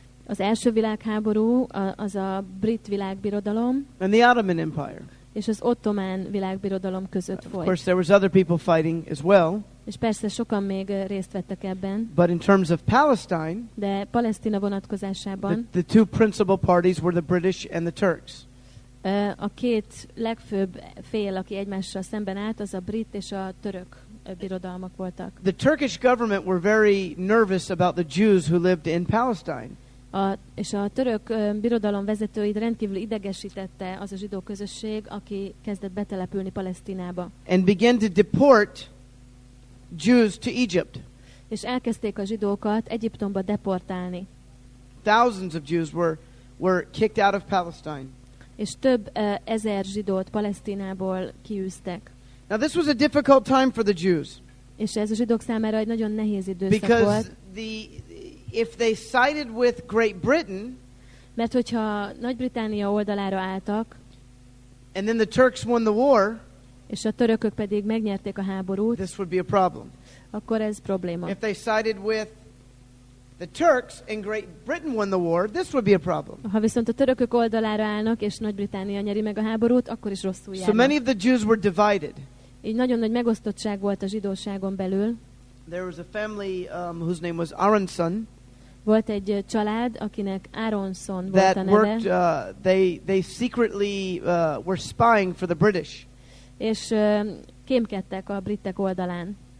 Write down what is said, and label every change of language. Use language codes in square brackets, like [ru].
[hu] Az első világháború, az a brit világbirodalom. [en] And the Ottoman Empire. [hu] És az ottomán világbirodalom között folyt. [en] Of course, there was other people fighting as well. [hu] És persze sokan még részt vettek ebben. [en] But in terms of Palestine, [hu] de Palesztina vonatkozásában, [en] the two principal parties were the British and the Turks. [hu] A két legfőbb fél, aki egymással szemben állt, az a brit és a török birodalmak voltak. [en] The Turkish government were very nervous about the Jews who lived in Palestine. [hu] És a török birodalom vezetőit rendkívül idegesítette az a zsidó közösség, aki kezdett betelepülni Palesztinába. [en] And began to deport Jews to Egypt. [hu] És elkezdték a zsidókat Egyiptomba deportálni. [en] Thousands of Jews were kicked out of Palestine. [hu] És több ezer zsidót Palesztinából kiűztek. [en] Now this was a difficult time for the Jews. [hu] És ez a zsidók számára egy nagyon nehéz időszak [en] because [hu] volt. [en] Because if they sided with Great Britain, [hu] mert hogyha Nagy-Britannia oldalára álltak, [en] and then the Turks won the war, [hu] és a törökök pedig megnyerték a háborút, [en] this would be a problem. [hu] Akkor ez probléma. [en] If they sided with the Turks and Great Britain won the war, this would be a problem. [hu] Ha viszont a törökök oldalára állnak és Nagy-Britannia nyeri meg a háborút, akkor is rosszul járnak. [en] So many of the Jews were divided. [hu] Így nagyon nagy megosztottság volt a zsidóságon belül. [en] There was a family whose name was Aronson. [hu] Volt egy család, akinek Aronson volt [en] that [hu] a neve. [en] Worked, they secretly were spying for the British. [hu] És kémkedtek a britek oldalán.